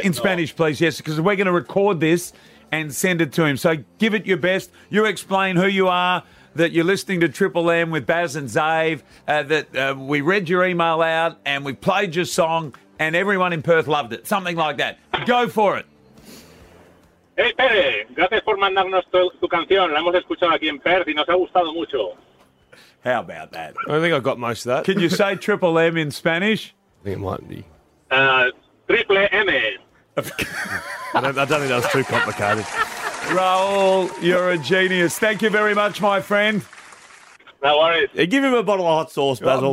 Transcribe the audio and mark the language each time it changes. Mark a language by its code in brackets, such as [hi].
[en] in Spanish, please, yes, because we're going to record this and send it to him. So give it your best. You explain who you are, that you're listening to Triple M with Baz and Zave, that we read your email out and we played your song and everyone in Perth loved it. Something like that. Go for it. [es] Hey, Pere, gracias por mandarnos tu canción. La hemos escuchado aquí en Perth y nos ha gustado mucho. [en] How about that? I think I got most of that. Can you say Triple M in Spanish? I think it might be. Triple M. I don't think that was too complicated. Raul, you're a genius. Thank you very much, my friend. No worries. Give him a bottle of hot sauce, Basil.